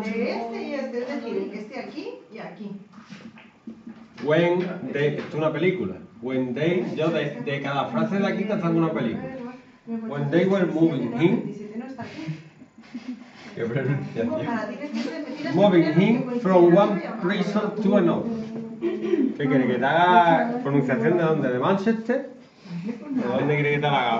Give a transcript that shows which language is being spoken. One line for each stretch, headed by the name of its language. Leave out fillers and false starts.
Spanish: Este y este, es decir, este aquí y aquí.
English: When they,
Spanish: esto es una película.
English: When they,
Spanish: yo de cada frase de aquí te hago una película.
English: When they were moving him.
Spanish: Qué pronunciación.
English: Moving him from one prison to another.
Spanish: ¿Qué quiere que te haga pronunciación de dónde? ¿De Manchester? ¿De dónde quiere que te haga?